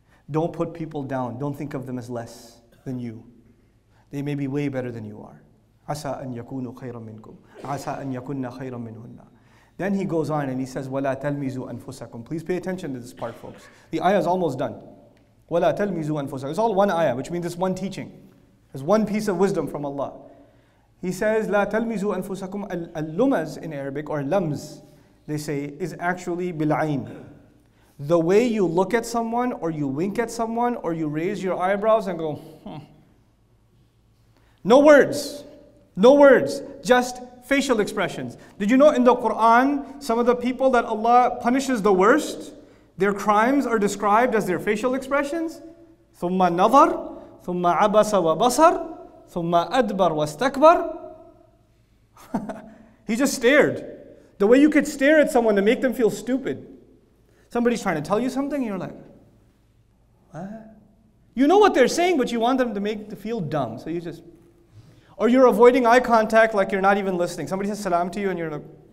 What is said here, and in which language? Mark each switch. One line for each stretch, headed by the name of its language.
English: Don't put people down. Don't think of them as less than you. They may be way better than you are.
Arabic: عَسَىٰ أَنْ يَكُونُوا خَيْرًا مِنْكُمْ عَسَىٰ أَنْ يَكُنَّ خَيْرًا مِنْهُنَّ.
English: Then he goes on and he says,
Arabic: وَلَا تَلْمِزُوا أَنفُسَكُمْ.
English: Please pay attention to this part, folks. The ayah is almost done.
Arabic: وَلَا تَلْمِزُوا أَنفُسَكُمْ.
English: It's all one ayah, which means it's one teaching. It's one piece of wisdom from Allah. He says,
Arabic: لَا تَلْمِزُوا أَنفُسَكُمْ.
English: Al-lumaz in Arabic, or lams, they say, is actually bil-ayn. The way you look at someone, or you wink at someone, or you raise your eyebrows and go, No words. Just facial expressions. Did you know in the Quran, some of the people that Allah punishes the worst, their crimes are described as their facial expressions?
Arabic: ثُمَّ نَظَرْ ثُمَّ عَبَسَ وَبَصَرْ ثُمَّ أَدْبَرْ وَاسْتَكْبَرْ
English: He just stared. The way you could stare at someone to make them feel stupid. Somebody's trying to tell you something, and you're like, what? You know what they're saying, but you want them to make them feel dumb. So you just... Or you're avoiding eye contact like you're not even listening. Somebody says salam to you and you're like...